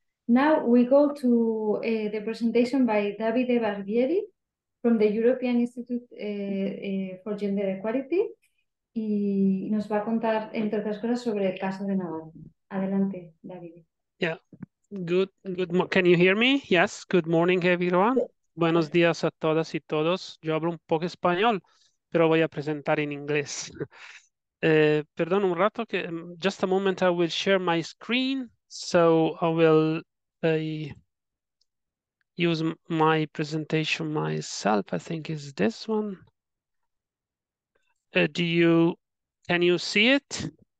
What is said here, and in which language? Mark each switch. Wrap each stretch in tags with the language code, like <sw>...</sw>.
<en>Now we go to the presentation by Davide Barbieri from the European Institute for Gender Equality.</en> <es>Y nos va a contar, entre otras cosas, sobre el caso de Navarra. Adelante, Davide.</es> <en>Yeah, good. Can you hear me? Yes, good morning, everyone.</en> <es>Buenos días a todas y todos. Yo hablo un poco español, pero voy a presentar en inglés. perdón un rato, que</es> <en>just a moment, I will share my screen. So I will use my presentation myself. I think is this one. Can you see it?</en>